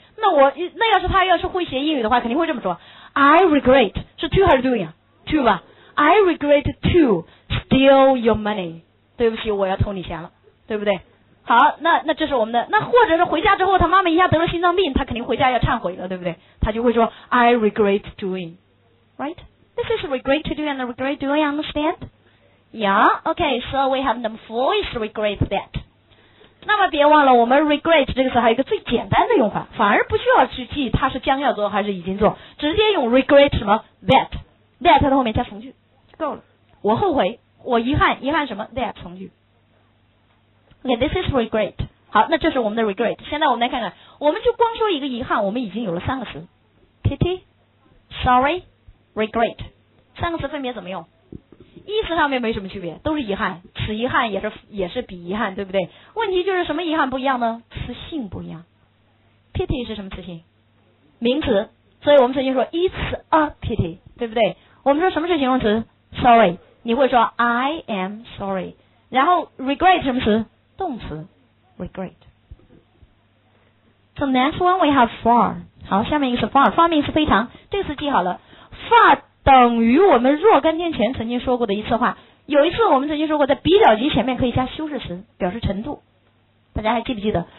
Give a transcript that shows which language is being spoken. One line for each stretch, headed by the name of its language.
Chinese: 那要是他要是会写英语的话，肯定会这么说，
English: I regret 是 to her doing to
Chinese: 吧。
English: I regret to steal your money，
Chinese: 对不起，我要偷你钱了，对不对？好，那这是我们的，那或者是回家之后他妈妈一下得了心脏病，他肯定回家要忏悔了，对不对？他就会说
English: I regret doing， right？ This is regret to do and regret doing， understand？ Yeah， okay， so we have number four is regret that。
Chinese: 那么别忘了，我们 regret 这个词还有一个最简单的用法，反而不需要去记它是将要做还是已经做，直接用 regret 什么 that。 That 的后面加从句够了，我后悔，我遗憾，遗憾什么 That 从句。
English: Okay, this is regret。
Chinese: 好，那这是我们的 regret。现在我们来看看，我们就光说一个遗憾，我们已经有了三个词，
English: pity, sorry, regret，
Chinese: 三个词分别怎么用？意思上面没什么区别，都是遗憾，此遗憾也是彼遗憾，对不对？问题就是什么遗憾不一样呢？词性不一样。pity 是什么词性？名词。所以我们曾经说 It's a pity，对不对？我们说什么是形容词？ sorry， 你会说
English: I am sorry。
Chinese: 然后 regret 什么词？动词 regret。
English: So next one we have far。
Chinese: 好，下面一个是 far，
English: far means
Chinese: 非常，这个词记好了， far 等于我们若干天前曾经说过的一次话。有一次我们曾经说过，在比较级前面可以加修饰词表示程度，大家还记不记得？